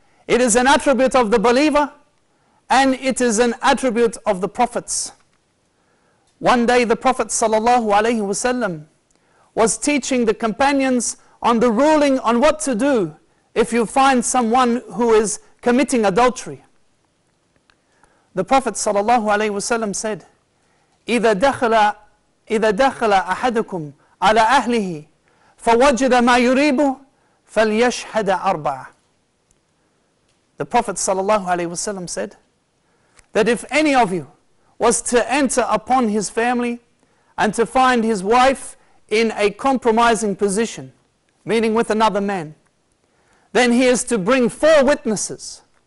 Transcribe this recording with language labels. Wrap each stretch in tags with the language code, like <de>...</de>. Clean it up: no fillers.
<en>It is an attribute of the believer, and it is an attribute of the prophets. One day the Prophet sallallahu alayhi wa sallam was teaching the companions on the ruling on what to do if you find someone who is committing adultery. The Prophet sallallahu alayhi wa sallam said,</en> <ar>إِذَا دَخَلَ أَحَدُكُمْ عَلَى أَهْلِهِ فَوَجِدَ مَا يُرِيبُهُ فَلْيَشْهَدَ أَرْبَعَ.</ar> <en>The Prophet sallallahu alaihi wasallam said that if any of you was to enter upon his family and to find his wife in a compromising position, meaning with another man, then he is to bring four witnesses.</en>